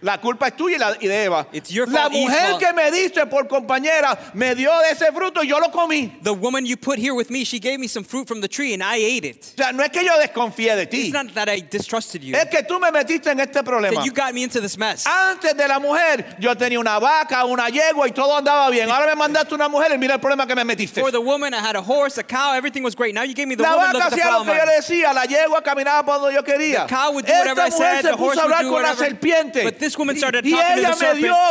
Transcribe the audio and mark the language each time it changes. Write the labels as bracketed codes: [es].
[es] La culpa es tuya y la de Eva. [en] It's your fault. [es] La mujer que me diste por compañera me dio de ese fruto y yo lo comí. [en] The woman you put here with me, she gave me some fruit from the tree and I ate it. [es] O sea, no es que yo desconfíe de ti. [en] It's not that I distrusted you. [es] Es que tú me metiste en este problema. [en] That you got me into this mess. [es] Antes de la mujer, yo tenía una vaca, una yegua y todo andaba bien. Ahora me mandaste una mujer y mira el problema que me metiste. [en] For the woman, I had a horse, a cow, everything was great. Now you gave me the [es] la [en] woman, [es] vaca hacía lo que yo le decía, la yegua caminaba por donde yo quería. [en] The cow would do whatever I said, the horse would do whatever. But this woman started talking to the serpent.